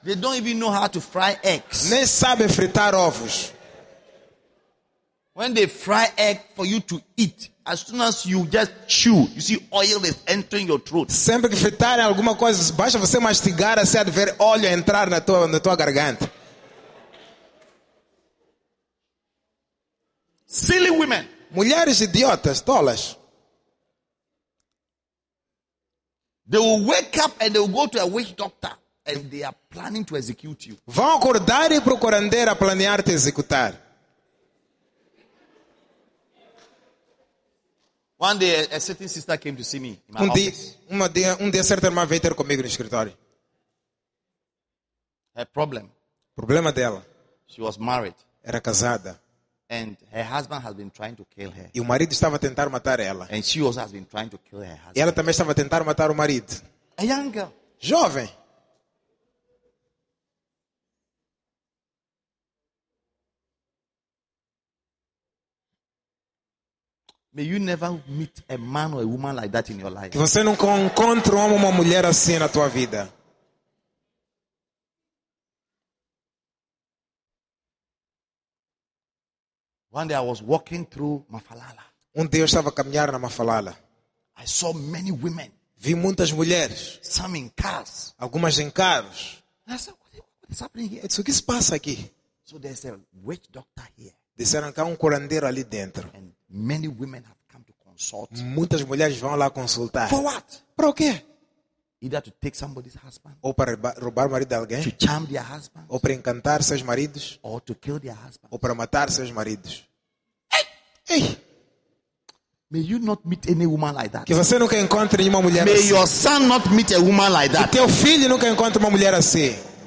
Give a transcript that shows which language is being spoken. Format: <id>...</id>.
<en>They don't even know how to fry eggs.</en> <pt>Nem sabem fritar ovos.</pt> <en>When they fry egg for you to eat, as soon as you just chew, you see oil is entering your throat.</en> <pt>Sempre que fritarem alguma coisa, basta você mastigar, você vai ver óleo entrar na tua garganta.</pt> <en>Silly women.</en> <pt>Mulheres idiotas, tolas.</pt> <en>They will wake up and they will go to a witch doctor and they are planning to execute you.</en> <pt>Vão acordar e procurar a planear te executar.</pt> <en>One day, a certain sister came to see me in my</en> <pt>Um dia, certa irmã veio ter comigo no escritório.</pt> <en>Her problem.</en> <pt>Problema dela.</pt> <en>She was married.</en> <pt>Era casada.</pt> <en>And her husband has been trying to kill her.</en> <pt>E o marido estava a tentar matar ela.</pt> <en>And she also has been trying to kill her husband.</en> <pt>E ela também estava a tentar matar o marido.</pt> <en>A young girl.</en> <pt>Jovem.</pt> <en>May you never meet a man or a woman like that in your life.</en> <pt>Que você nunca encontre um homem ou uma mulher assim na tua vida.</pt> <en>One day I was walking through Mafalala.</en> <pt>Dia eu estava a caminhar na Mafalala.</pt> <en>I saw many women.</en> <pt>Vi muitas mulheres.</pt> <en>Some in cars.</en> <pt>Algumas em carros.</pt> <en>And I said, what is happening here?</en> <pt>Disse, o que se passa aqui?</pt> <en>So there's a witch doctor here.</en> <pt>Disseram que há curandeiro ali dentro.</pt> <en>And many women have come to consult.</en> <pt>Muitas mulheres vão lá consultar.</pt> <en>For what?</en> <pt>Para o quê?</pt> <en>Either to take somebody's husband.</en> <pt>Ou para roubar o marido de alguém.</pt> <en>To charm their husband.</en> <pt>Ou para encantar seus maridos.</pt> <en>Or to kill their husband.</en> <pt>Ou para matar seus maridos.</pt> <en>Hey! May you not meet any woman like that.</en> <pt>Que você nunca encontre nenhuma mulher</pt> <en>May</en> <pt>assim.</pt> <en>May your son not meet a woman like that.</en> <pt>Que teu filho nunca encontre uma mulher assim.</pt>